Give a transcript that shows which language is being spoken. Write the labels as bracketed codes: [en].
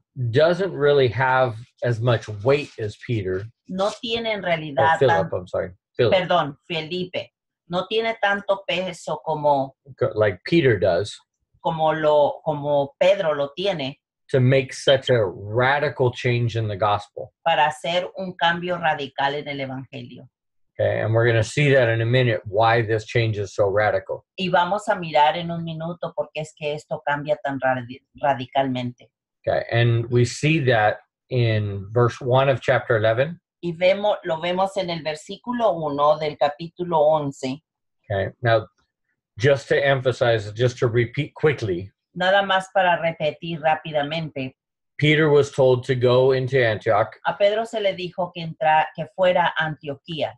[en] doesn't really have as much weight as Peter. [es] No tiene en realidad, [en] or Philip, I'm sorry. Philip. [es] Perdón, Felipe. No tiene tanto peso como, [en] like Peter does. [es] Como Pedro lo tiene. [en] To make such a radical change in the gospel. [es] Para hacer un cambio radical en el evangelio. [en] Okay, and we're going to see that in a minute, why this change is so radical. [es] Y vamos a mirar en un minuto por qué es que esto cambia tan radicalmente. [en] Okay, and we see that in verse 1 of chapter 11. [es] Y lo vemos en el versículo 1 del capítulo 11. [en] Okay, now, just to emphasize, just to repeat quickly. [es] Nada más para repetir rápidamente. [en] Peter was told to go into Antioch. [es] A Pedro se le dijo que fuera a Antioquía.